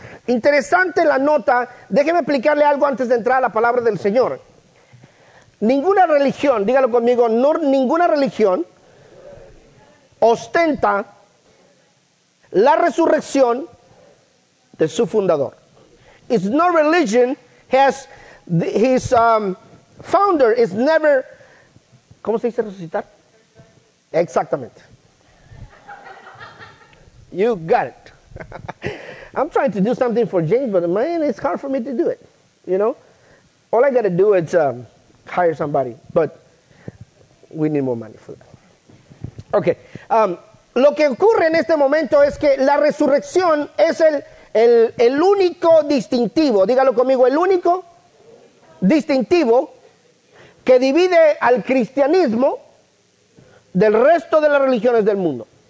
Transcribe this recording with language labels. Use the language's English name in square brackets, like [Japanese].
[Spanish] Interesante la nota. Déjeme explicarle algo antes de entrar a la palabra del Señor. Ninguna religión, dígalo conmigo, no, ninguna religión ostenta la resurrección de su fundador. [English] It's no religion has his founder is never. [Spanish] ¿Cómo se dice resucitar? Exactamente. [English] You got it. I'm trying to do something for James, but man, it's hard for me to do it. You know, all I got to do is hire somebody, but we need more money for that. Okay. [Spanish] Lo que ocurre en este momento es que la resurrección es el único distintivo, dígalo conmigo, el único distintivo que divide al cristianismo del resto de las religiones del mundo.